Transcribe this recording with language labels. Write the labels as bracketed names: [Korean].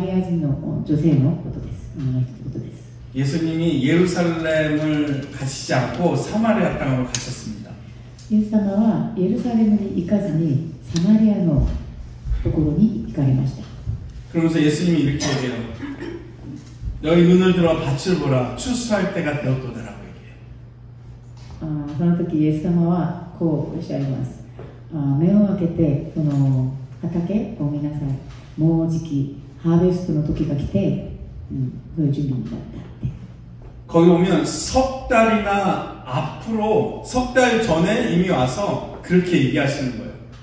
[Japanese] 여러분,皆さんがご存知のようなサマリア人の女性のことです。 [Korean] 예수님이 예루살렘을 가시지 않고 사마리아 땅으로 가셨습니다. [Japanese] 예수様は예루살렘に行かずにサマリアのところに行かれました。 [Korean] 그러면서 예수님이 이렇게 얘기해요. 너희 눈을 들어 밭을 보라. 추수할 때가 되었도다라고 얘기해요. [Japanese] その時イエス様はこうおっしゃいます。目を開けてその畑を見なさい。もうじきハーベストの時が来て、そういう準備になったって。 [Korean] 거기 오면 석 달이나 앞으로 석 달 전에 이미 와서 그렇게 얘기하시는 거예요.